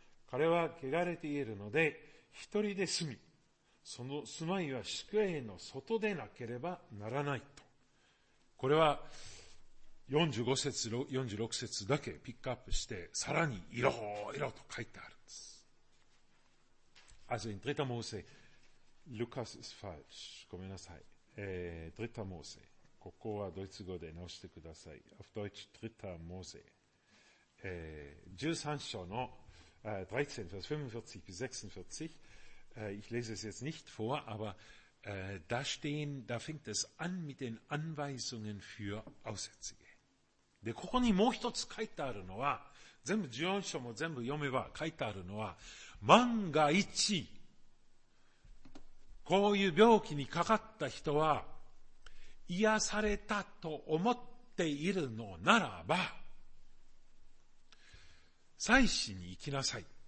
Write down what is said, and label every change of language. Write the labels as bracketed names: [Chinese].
[Japanese] 彼は汚れているので、一人で住み、その住まいは宿営の外でなければならないと。これは45節、46節だけピックアップして、さらにいろいろと書いてあるんです。 [German] Also in dritter Mose, Lukas ist falsch. [Japanese] ごめんなさい。Dritter Mose. ここはドイツ語で直してください。 [German] Auf Deutsch Dritter Mose. 13章の13, Vers 45 bis 46. Ich lese es jetzt nicht vor, aber da fängt es an mit den Anweisungen für Aussätzige. [Japanese] で、ここにもう一つ書いてあるのは、全部14章も全部読めば書いてあるのは、万が一、こういう病気にかかった人は癒されたと思っているのならば、祭司に行きなさい。